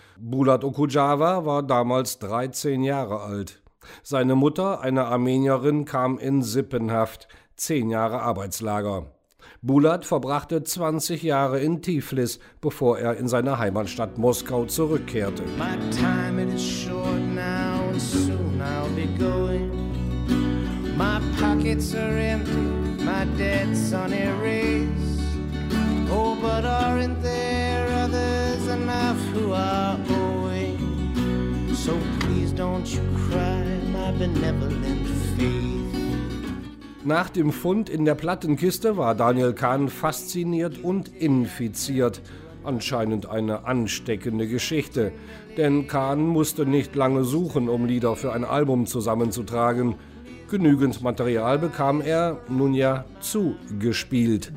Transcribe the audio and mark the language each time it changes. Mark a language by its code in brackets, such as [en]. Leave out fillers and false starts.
[de] Bulat Okudjava war damals 13 Jahre alt. Seine Mutter, eine Armenierin, kam in Sippenhaft, 10 Jahre Arbeitslager. Bulat verbrachte 20 Jahre in Tiflis, bevor er in seine Heimatstadt Moskau zurückkehrte. [en] My time is short now and soon I'll be going. My pockets are empty, my debts on erase. Oh, but aren't there others enough who are owing? So please don't you cry, my benevolent face. [de] Nach dem Fund in der Plattenkiste war Daniel Kahn fasziniert und infiziert. Anscheinend eine ansteckende Geschichte. Denn Kahn musste nicht lange suchen, um Lieder für ein Album zusammenzutragen. Genügend Material bekam er, nun ja, zugespielt.